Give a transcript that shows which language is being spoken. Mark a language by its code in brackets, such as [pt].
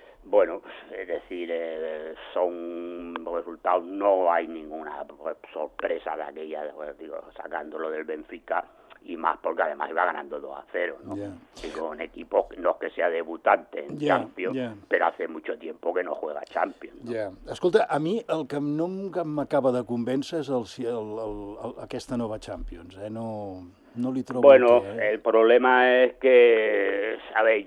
[es] Bueno, es decir, son resultados, no hay ninguna sorpresa de aquella, pues, digo, sacándolo del Benfica, y más porque además iba ganando 2-0, ¿no? [en] Yeah. [es] Y con equipos, no es que sea debutante en Champions, pero hace mucho tiempo que no juega Champions, ¿no? [ca] Escolta, a mi el que no m'acaba de convèncer és aquesta nova Champions, ¿eh? No li trobo. [es] Bueno, el problema es que, ¿sabes?